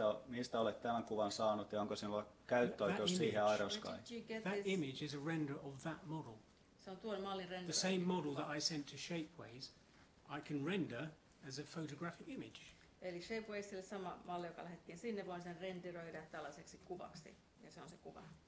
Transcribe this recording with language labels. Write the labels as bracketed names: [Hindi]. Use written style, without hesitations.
[Finnish] Mistä olet tämän kuvan saanut ja onko sinulla käyttöoikeus siihen Iron Sky? [English] That image is a render of that model. [Finnish] Se on tuon mallin render. [English] The same model that I sent to Shapeways, I can render as a photographic image. [Finnish] Eli Shapewaysille sama malli, joka lähdettiin sinne, voin sen renderoida tällaiseksi kuvaksi, ja se on se kuva.